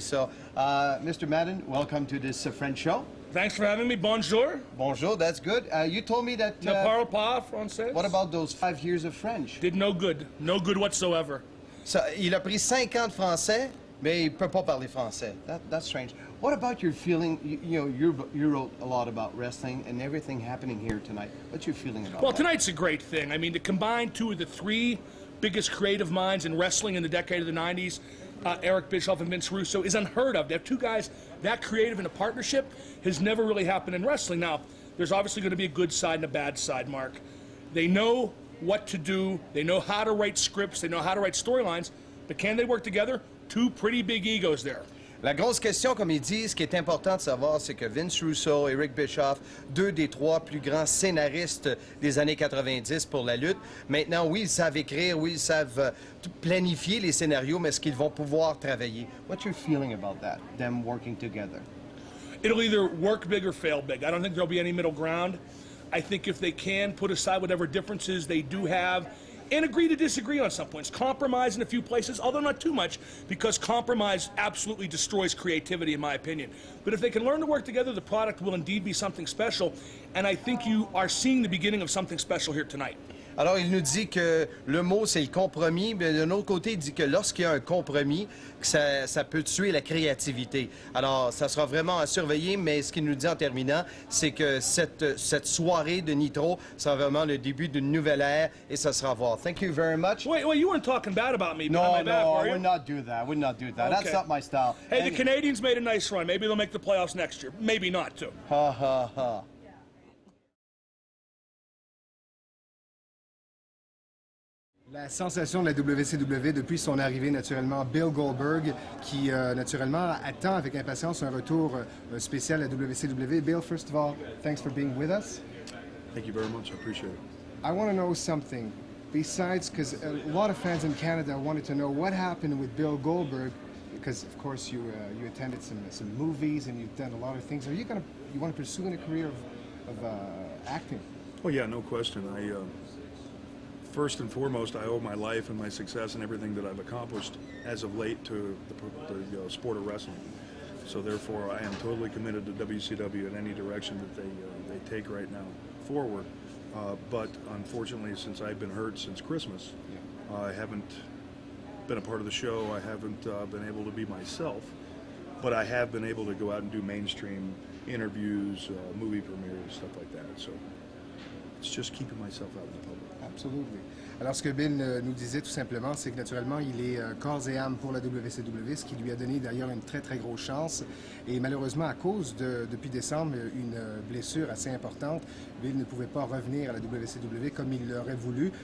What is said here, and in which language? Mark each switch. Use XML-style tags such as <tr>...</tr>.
<en>So, Mr. Madden, welcome to this French show. Thanks for having me. Bonjour. Bonjour, that's good. You told me that...</en> <fr>Ne parle pas français.</fr> <en>What about those 5 years of French? Did no good. No good whatsoever.</en> <fr>So, il a pris 5 ans de français, mais il peut pas parler français.</fr> <en>That's strange. What about your feeling, you wrote a lot about wrestling and everything happening here tonight. What's your feeling about that? Well, tonight's a great thing. I mean, to combine two of the three biggest creative minds in wrestling in the decade of the 90s, Eric Bischoff and Vince Russo, is unheard of. To have two guys that creative in a partnership has never really happened in wrestling. Now, there's obviously going to be a good side and a bad side, Mark. They know what to do. They know how to write scripts. They know how to write storylines. But can they work together? Two pretty big egos there.</en> <fr>La grosse question, comme ils disent, ce qui est important de savoir, c'est que Vince Russo et Eric Bischoff, deux des trois plus grands scénaristes des années 90 pour la lutte, maintenant, oui, ils savent écrire, oui, ils savent planifier les scénarios, mais est-ce qu'ils vont pouvoir travailler?</fr> <en>What's your feeling about that, them working together? It'll either work big or fail big. I don't think there'll be any middle ground. I think if they can put aside whatever differences they do have, and agree to disagree on some points. Compromise in a few places, although not too much, because compromise absolutely destroys creativity, in my opinion. But if they can learn to work together, the product will indeed be something special, and I think you are seeing the beginning of something special here tonight.</en> <fr>Alors, il nous dit que le mot, c'est le compromis, mais d'un autre côté, il dit que lorsqu'il y a un compromis, que ça peut tuer la créativité. Alors, ça sera vraiment à surveiller, mais ce qu'il nous dit en terminant, c'est que cette soirée de Nitro sera vraiment le début d'une nouvelle ère, et ça sera à voir.</fr> <en>Thank you very much. Wait, you weren't talking bad about me. No, behind my back, were you? I would not do that. I would not do that. Okay. That's not my style. Hey, the Canadians made a nice run. Maybe they'll make the playoffs next year. Maybe not, too. Ha, ha, ha.</en> <fr>La sensation de la WCW depuis son arrivée, naturellement, Bill Goldberg, qui, naturellement, attend avec impatience un retour spécial à WCW.</fr> <en>Bill, first of all, thanks for being with us. Thank you very much. I appreciate it. I want to know something. Besides, because a lot of fans in Canada wanted to know what happened with Bill Goldberg, because, of course, you attended some movies and you've done a lot of things. Are you going to, you want to pursue in a career of acting? Oh, yeah, no question. First and foremost, I owe my life and my success and everything that I've accomplished as of late to the sport of wrestling. So therefore, I am totally committed to WCW in any direction that they take right now forward. But unfortunately, since I've been hurt since Christmas, I haven't been a part of the show. I haven't been able to be myself. But I have been able to go out and do mainstream interviews, movie premieres, stuff like that. So it's just keeping myself out of the public. Absolutely.</en> <fr>Alors, ce que Bill nous disait tout simplement, c'est que naturellement, il est corps et âme pour la WCW, ce qui lui a donné d'ailleurs une très, très grosse chance. Et malheureusement, à cause de, depuis décembre, une blessure assez importante, Bill ne pouvait pas revenir à la WCW comme il l'aurait voulu.</fr>